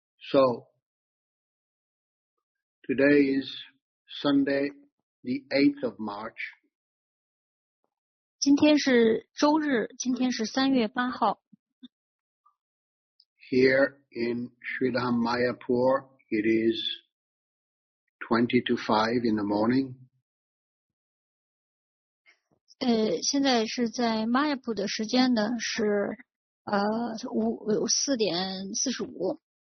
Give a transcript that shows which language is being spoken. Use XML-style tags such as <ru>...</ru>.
<en>So, today is Sunday, the 8th of March.</en> <zh>今天是周日，今天是3月8号。</zh> <en>Here in Sridham Mayapur, it is 20 to 5 in the morning.</en> <zh>现在是在 Mayapur 的时间呢，是4:45.</zh>